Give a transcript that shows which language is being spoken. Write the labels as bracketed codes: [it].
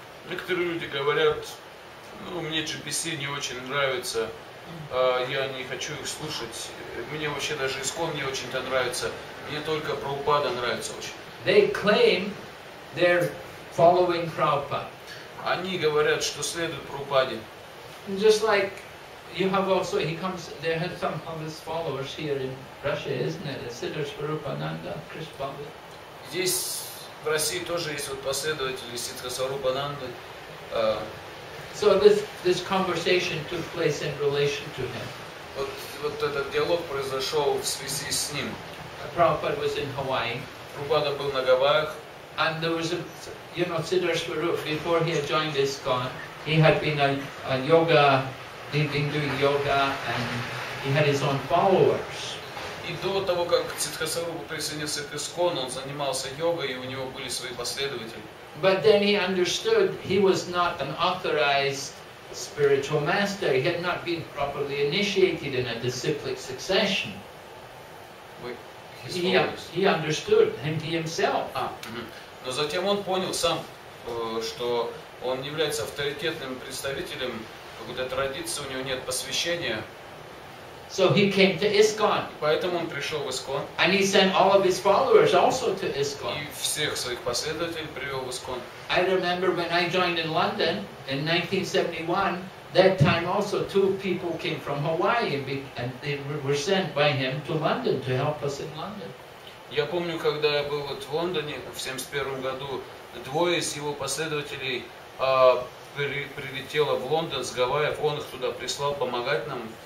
[ru] Некоторые люди говорят, мне GBC не очень нравится. Я не хочу их слушать. Мне вообще даже ИСКОН не очень-то нравится. Мне только Прабхупада нравится очень. [en] They claim they're following Prabhupada. [ru] Они говорят, что следуют Прабхупаде. [en] Just like you have also, he comes, they have some of his followers here in Russia, isn't it? Siddhaswarupananda, Krishna Prabhupada. [ru] Здесь в России тоже есть вот последователи Сиддхасварупананды. [en] So this conversation took place in relation to him. [ru] Вот этот диалог произошел в связи с ним. [en] Prabhupada was in Hawaii. [ru] Прабхупада был на Гавайях. [en] And there was Siddhaswarup, before he had joined ISKCON, he had been a yoga, he'd been doing yoga, and he had his own followers. [ru] И до того, как Сиддхасварупа присоединился к ИСКОН, он занимался йогой, и у него были свои последователи. [en] But then he understood he was not an authorized spiritual master. He had not been properly initiated in a disciplic succession. He understood him himself. [ru] Но затем он понял сам, что он является авторитетным представителем какой-то традиции, у него нет посвящения. [en] So he came to ISKCON. [ru] Поэтому он пришел в ИСКОН. [en] And he sent all of his followers also to ISKCON. [ru] И всех своих последователей привел в ИСКОН. [en] I remember when I joined in London in 1971, that time also two people came from Hawaii and they were sent by him to London to help us in London. [ru] Я помню, когда я был вот в Лондоне в 71 году, двое из его последователей прилетело в Лондон с Гавайев, он их туда прислал помогать нам.